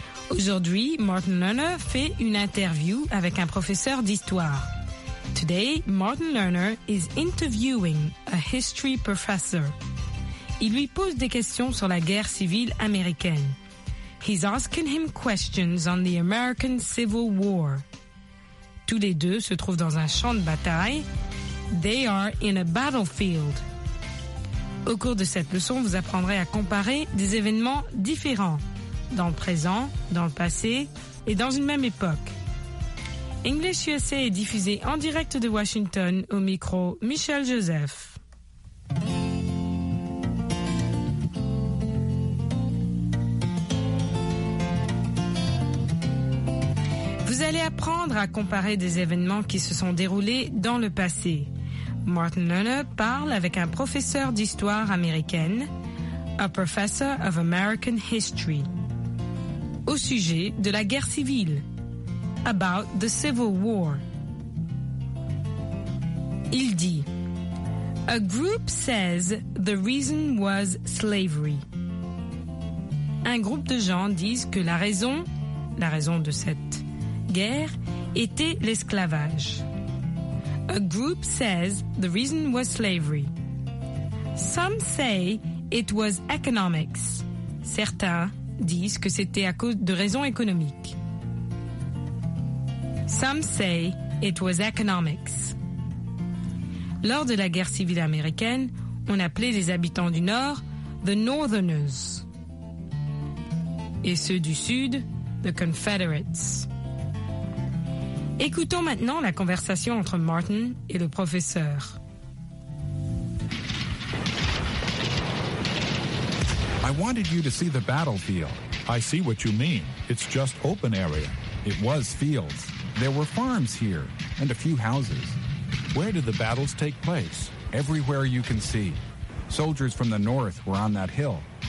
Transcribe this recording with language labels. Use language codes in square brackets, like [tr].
[fr] Aujourd'hui, Martin Lerner fait une interview avec un professeur d'histoire. [en] Today, Martin Lerner is interviewing a history professor. [fr] Il lui pose des questions sur la guerre civile américaine. [en] He's asking him questions on the American Civil War. [fr] Tous les deux se trouvent dans un champ de bataille. [en] They are in a battlefield. [fr] Au cours de cette leçon, vous apprendrez à comparer des événements différents dans le présent, dans le passé et dans une même époque. English USA est diffusé en direct de Washington au micro Michelle Joseph. Vous allez apprendre à comparer des événements qui se sont déroulés dans le passé. Martin Lerner parle avec un professeur d'histoire américaine, [en] a professor of American history, [fr] au sujet de la guerre civile. [en] About the Civil War. [fr] Il dit, [en] a group says the reason was slavery. [fr] Un groupe de gens disent que la raison de cette guerre était l'esclavage. [en] A group says the reason was slavery. Some say it was economics. [fr] Certains disent que c'était à cause de raisons économiques. [en] Some say it was economics. [fr] Lors de la guerre civile américaine, on appelait les habitants du Nord « the Northerners » et ceux du Sud « the Confederates ». Écoutons maintenant la conversation entre Martin et le professeur. [en] I wanted you to see the battlefield. I see what you mean. It's just open area. It was fields. There were farms here and a few houses. Where did the battles take place? Everywhere you can see. Soldiers from the north were on that hill.